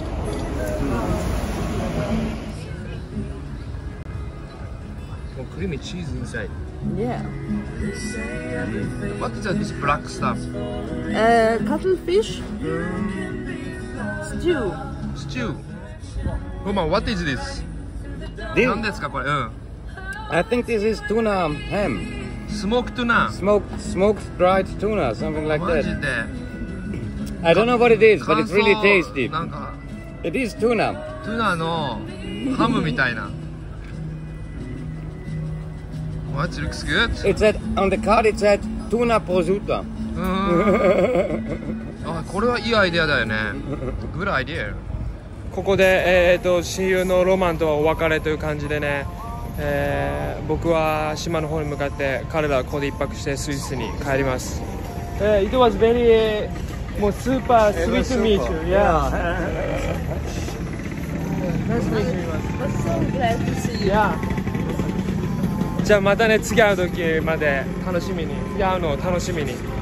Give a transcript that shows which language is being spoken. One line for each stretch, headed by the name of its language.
English: もうクリーミーチーズインサイド。 Yeah. What is this black stuff? Cuttlefish? Stew. Woman, what is this?
Japanese: 何ですかこれ、
English: I think this is tuna ham. Smoked tuna? Smoked dried tuna, something like that.
Japanese: マジで。
English: I don't know what it is, but it's really tasty. It is tuna.
Japanese: Tuna のハムみたいな。
English: What? It looks good. It said, on the card it said, tuna prosciutto.
Japanese: あ、これはいいアイデアだよね。
English: Good idea.
Japanese: ここで、親友のロマンとお別れという感じでね、僕は島の方に向かって、彼らはここで一泊してスイスに帰ります。
English: It was very... もうスーパースイートミーチュー、yeah. Nice to meet you. I'm so glad to see you. Yeah.
Japanese: じゃあまたね、次会う時まで楽しみに、次会うのを楽しみに。